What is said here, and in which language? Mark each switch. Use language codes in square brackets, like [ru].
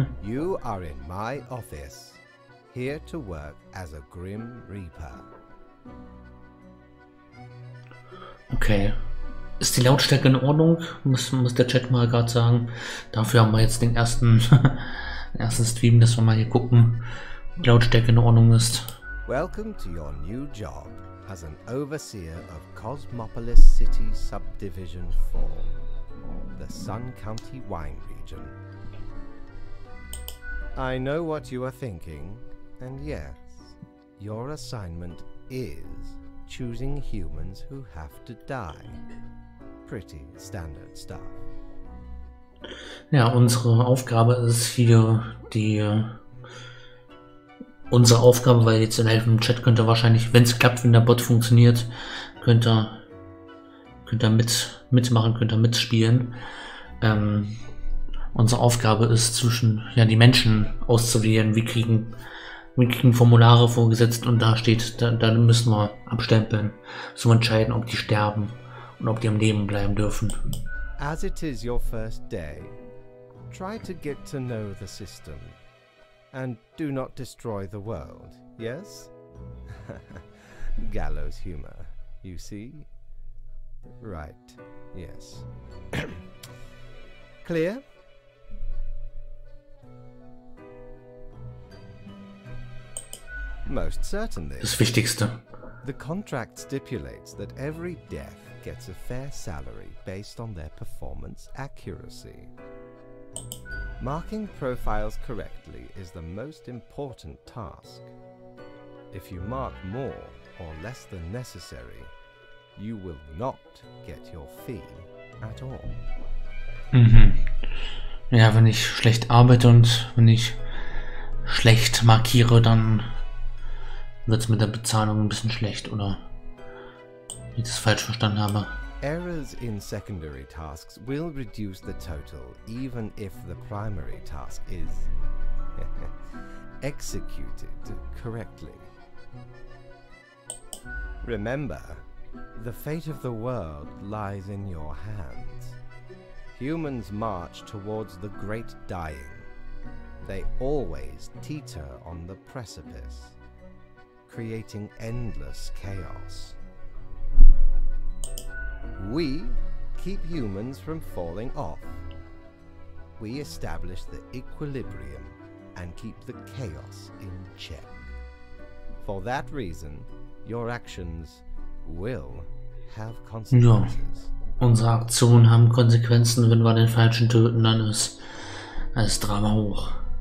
[en] You are in my office. Here to work as a Grim Reaper. [de] Okay. Ist die Lautstärke in Ordnung? Muss der Chat mal gerade sagen. Dafür haben wir jetzt den ersten, Stream, dass wir mal hier gucken, ob die Lautstärke in Ordnung ist. [en] Welcome to your new job as an overseer of Cosmopolis City Subdivision 4, the Sun County Wine Region. I know what you are thinking, and yes, your assignment is choosing humans who have to die. Pretty standard stuff. [de] Ja, unsere Aufgabe ist hier die... Unsere Aufgabe, weil jetzt in einem Chat könnte wahrscheinlich, wenn es klappt, wenn der Bot funktioniert, könnte mitmachen, könnte mitspielen. Unsere Aufgabe ist zwischen, ja, die Menschen auszuwählen. Wir kriegen Formulare vorgesetzt und da steht, da müssen wir abstempeln, zu entscheiden, ob die sterben und ob die am Leben bleiben dürfen. [en] As it is your first day, try to get to know the system. And do not destroy the world, yes? Gallows humor, you see? Right, yes. Clear? Most certainly. [de] Das Wichtigste. [en] The contract stipulates that every death gets a fair salary based on their performance accuracy. Marking profiles correctly is the most important task. If you mark more or less than necessary, you will not get your fee at all. Mhm. [de] Ja, wenn ich schlecht arbeite und wenn ich schlecht markiere, dann wird's mit der Bezahlung ein bisschen schlecht, oder? Wenn ich das falsch verstanden habe. [en] Errors in secondary tasks will reduce the total, even if the primary task is executed correctly. Remember, the fate of the world lies in your hands. Humans march towards the great dying. They always teeter on the precipice, creating endless chaos. We keep humans from falling off. We establish the equilibrium and keep the chaos in check. For that reason, your actions will have consequences. [de] Ja, unsere Aktionen haben Konsequenzen. Wenn wir den Falschen töten, dann ist das Drama hoch.